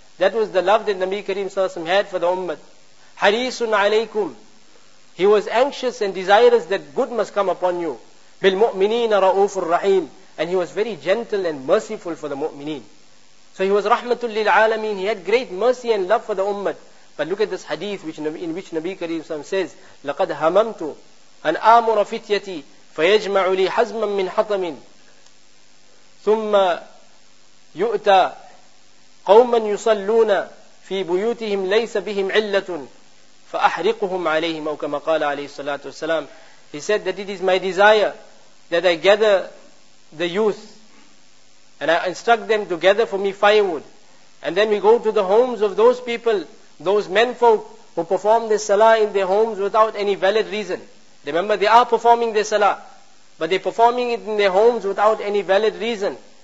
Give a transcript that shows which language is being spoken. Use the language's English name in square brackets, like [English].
[English] That was the love that Nabi Kareem sallallahu alayhi wa sallam had for the ummah. [Arabic] حَرِيصٌ عَلَيْكُمْ. [English] He was anxious and desirous that good must come upon you. [Arabic] بِالْمُؤْمِنِينَ رَؤُوفٌ رَحِيمٌ. [English] And he was very gentle and merciful for the mu'mineen. So he was rahmatul lil alameen. He had great mercy and love for the ummah. But look at this hadith in which Nabi Kareem sallallahu alayhi wa sallam says, [Arabic] لَقَدْ هَمَمْتُ أَنْ آمُرَ فِتْيَتِي فَيَجْمَعُ لِي حَزْمًا مِّنْ حَطَمٍ ثُمَّ يُؤْتَى قَوْمًا يُصَلُّونَ فِي بُيُوتِهِمْ لَيْسَ بِهِمْ عِلَّةٌ فَأَحْرِقُهُمْ عَلَيْهِمْ أَوْ كَمَا قَالَ عَلَيْهِ الصَّلَاةُ وَالسَّلَامُ. [English] He said that it is my desire that I gather the youth and I instruct them to gather for me firewood, and then we go to the homes of those people, those men folk who perform the salah in their homes without any valid reason. Remember, they are performing their salah, but they're performing it in their homes without any valid reason.